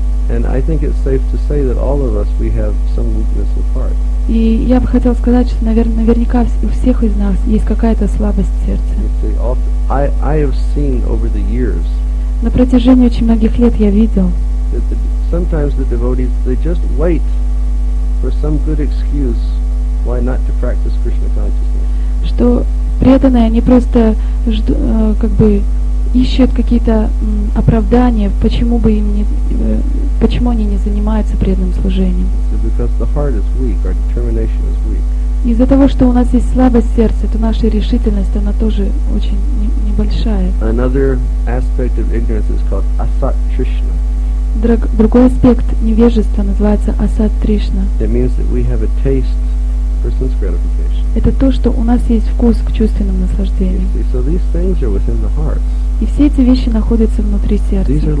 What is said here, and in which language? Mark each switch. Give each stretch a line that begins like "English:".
English: And I think it's safe to say that all of us, we have some weakness of heart.
Russian: И я бы хотел сказать, что, наверное, наверняка у всех из нас есть какая-то слабость сердца.
English: I have seen over the years.
Russian: На протяжении очень многих лет я видел.
English: Sometimes the devotees, they just wait for some good excuse why not to practice Krishna consciousness.
Russian: Что преданные, они просто ждут, как бы ищут какие-то оправдания, почему бы им не, почему они не занимаются преданным служением.
English: Because the heart is weak, our determination is weak.
Russian: Из-за того, что у нас есть слабость сердца, то наша решительность, она тоже очень небольшая.
English: Another aspect of ignorance is called asat-trishna.
Russian: Другой аспект невежества называется асат-тришна.
English: It means that we have a taste for sense gratification.
Russian: Это то, что у нас есть вкус к чувственным наслаждениям.
English: So these things are within the heart.
Russian: И все эти вещи находятся внутри сердца.